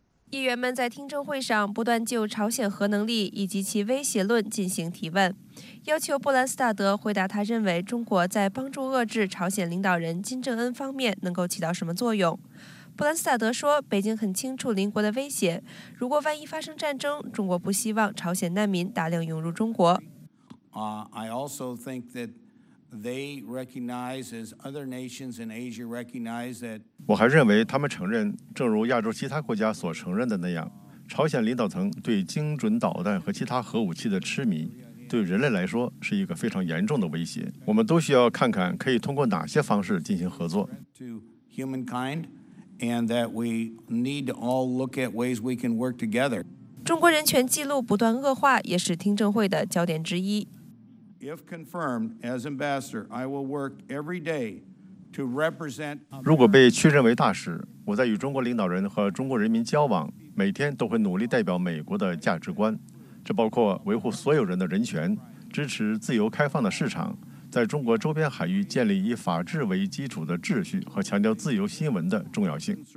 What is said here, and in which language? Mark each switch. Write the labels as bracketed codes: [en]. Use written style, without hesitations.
[zh] 议员们在听证会上不断就朝鲜核能力以及其威胁论进行提问，要求布兰斯塔德回答他认为中国在帮助遏制朝鲜领导人金正恩方面能够起到什么作用。布兰斯塔德说，北京很清楚邻国的威胁，如果万一发生战争，中国不希望朝鲜难民大量涌入中国。 [en] I also think that they recognize, as other nations in Asia recognize that. [zh] 我还认为他们承认，正如亚洲其他国家所承认的那样，朝鲜领导层对精准导弹和其他核武器的痴迷，对人类来说是一个非常严重的威胁。我们都需要看看可以通过哪些方式进行合作。 [en] To humankind. And that we need to all look at ways we can work together. [zh] 中国人权记录不断恶化也是听证会的焦点之一。 [en] If confirmed as ambassador, I will work every day to represent. [zh] 如果被确认为大使，我在与中国领导人和中国人民交往，每天都会努力代表美国的价值观，这包括维护所有人的人权，支持自由开放的市场。在中国周边海域建立以法治为基础的秩序和强调自由新闻的重要性。